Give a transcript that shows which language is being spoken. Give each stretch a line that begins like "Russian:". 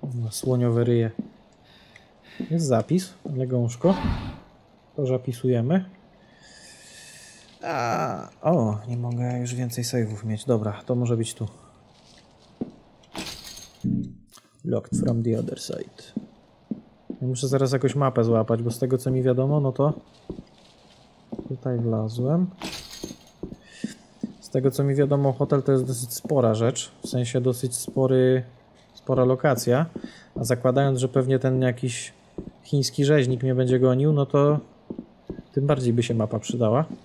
Polish: Słoniowe ryje. Jest zapis, legążko. To zapisujemy. O, nie mogę już więcej save'ów mieć. Dobra, to może być tu.
English: Locked from the other side.
Polish: Muszę zaraz jakąś mapę złapać, bo z tego co mi wiadomo, no to tutaj wlazłem. Z tego co mi wiadomo, hotel to jest dosyć spora rzecz. W sensie dosyć spora lokacja. A zakładając, że pewnie ten jakiś chiński rzeźnik mnie będzie gonił, no to tym bardziej by się mapa przydała.